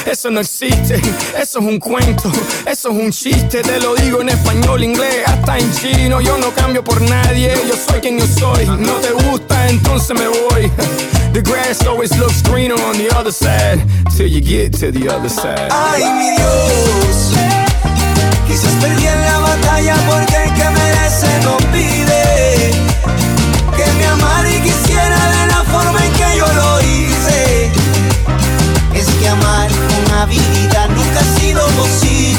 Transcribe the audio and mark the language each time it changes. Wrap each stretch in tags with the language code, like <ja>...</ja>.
<es>No existe, eso es un cuento, eso es un chiste. Te lo digo en español, inglés, hasta en chino. Yo no cambio por nadie, yo soy quien yo soy. No te gusta, entonces me voy.</es> <en>The grass always looks greener on the other side, till you get to the other side.</en> <es>Ay, mi Dios, quizás perdí en la batalla porque el que merece no pide que me amara y quisiera de la forma en que yo lo hice. Es que amar una vida nunca ha sido posible.</es>